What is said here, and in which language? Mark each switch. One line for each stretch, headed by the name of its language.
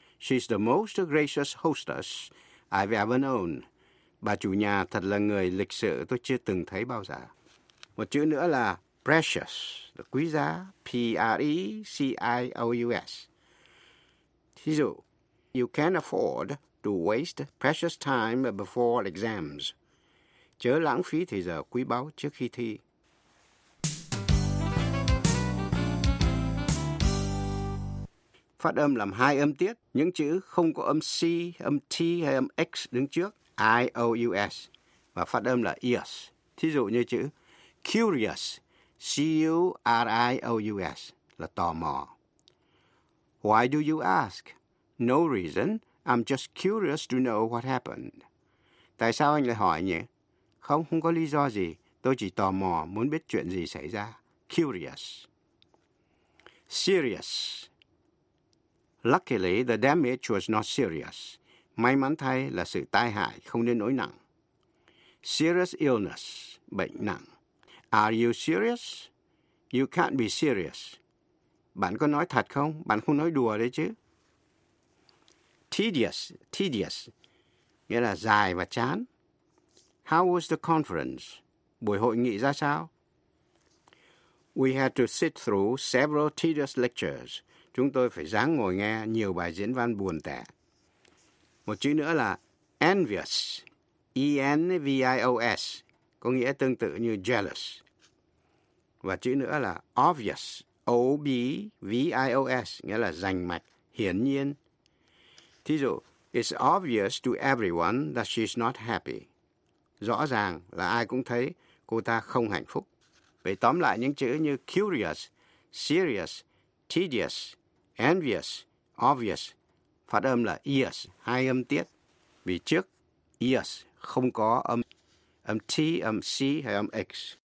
English: She's the most gracious hostess I've ever known.
Vietnamese: Bà chủ nhà thật là người lịch sự tôi chưa từng thấy bao giờ. Một chữ nữa là precious, là quý giá.
English: P-R-E-C-I-O-U-S.
Vietnamese: Thí dụ,
English: you can't afford to waste precious time before exams.
Vietnamese: Chớ lãng phí thời giờ quý báu trước khi thi. Phát âm làm hai âm tiết, những chữ không có âm C, âm T hay âm X đứng trước, I-O-U-S, và phát âm là ears. Thí dụ như chữ curious, C-U-R-I-O-U-S, là tò mò.
English: Why do you ask? No reason, I'm just curious to know what happened.
Vietnamese: Tại sao anh lại hỏi nhỉ? Không, không có lý do gì, tôi chỉ tò mò muốn biết chuyện gì xảy ra. Curious. Serious.
English: Luckily, the damage was not serious.
Vietnamese: May mắn thay là sự tai hại, không nên nỗi nặng.
English: Serious illness,
Vietnamese: bệnh nặng.
English: Are you serious? You can't be serious.
Vietnamese: Bạn có nói thật không? Bạn không nói đùa đấy chứ. Tedious, tedious, nghĩa là dài và chán.
English: How was the conference?
Vietnamese: Buổi hội nghị ra sao?
English: We had to sit through several tedious lectures.
Vietnamese: Chúng tôi phải ráng ngồi nghe nhiều bài diễn văn buồn tẻ. Một chữ nữa là envious, E-N-V-I-O-S, có nghĩa tương tự như jealous. Và chữ nữa là obvious, O-B-V-I-O-S, nghĩa là rành mạch, hiển nhiên. Thí dụ,
English: it's obvious to everyone that she's not happy.
Vietnamese: Rõ ràng là ai cũng thấy cô ta không hạnh phúc. Vậy tóm lại những chữ như curious, serious, tedious, envious, obvious, phát âm là ears, hai âm tiết. Vì trước ears không có âm T, âm C hay âm X.